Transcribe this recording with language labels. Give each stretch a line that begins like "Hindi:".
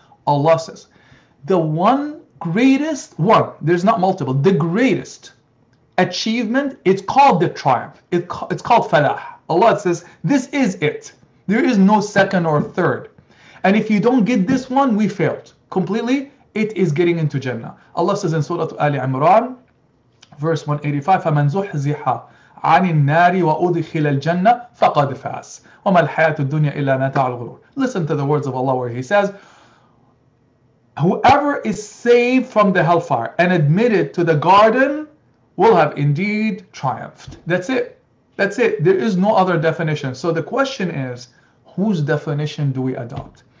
English: Allah says, the one greatest one, there's not multiple, the greatest achievement, it's called the triumph. It's called falah. Allah says, this is it. There is no second or third. And if you don't get this one, we failed. Completely, it is getting into Jannah. Allah says in Surah Ali Imran, verse 185,
Arabic: فَمَنْ زُحْزِحَ عَنِ النَّارِ وَأُدْخِلَ الْجَنَّةِ فَقَدْ فَاسْ وَمَا الْحَيَاةُ الدُّنْيَا إِلَّا مَتَعُ الْغُرُورِ.
English: Listen to the words of Allah where He says, whoever is saved from the hellfire and admitted to the garden will have indeed triumphed. That's it. There is no other definition. So the question is, whose definition do we adopt?